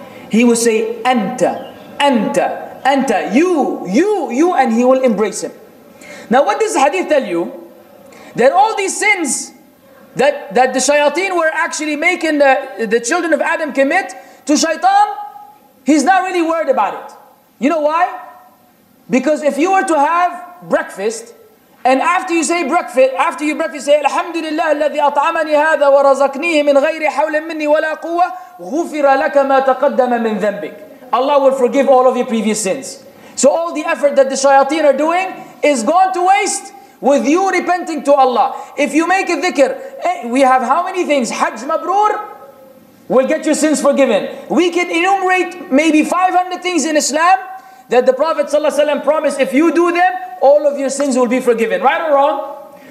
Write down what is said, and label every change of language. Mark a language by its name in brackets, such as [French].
[English] He will say, anta, anta, anta, you, you, you, and he will embrace him. Now, what does the hadith tell you? That all these sins that the shayateen were actually making the children of Adam commit to shaitan, he's not really worried about it. You know why? Because if you were to have breakfast, and after you say breakfast, after you breakfast, say Alhamdulillah [Arabic] الذي أطعمني هذا ورزقنيه من غير حول مني ولا قوة غفر لك ما تقدم من ذنبك. [English] Allah will forgive all of your previous sins. So all the effort that the shayateen are doing is gone to waste with you repenting to Allah. If you make a dhikr, we have how many things? Hajj mabrur will get your sins forgiven. We can enumerate maybe 500 things in Islam that the Prophet ﷺ promised, if you do them, all of your sins will be forgiven. Right or wrong?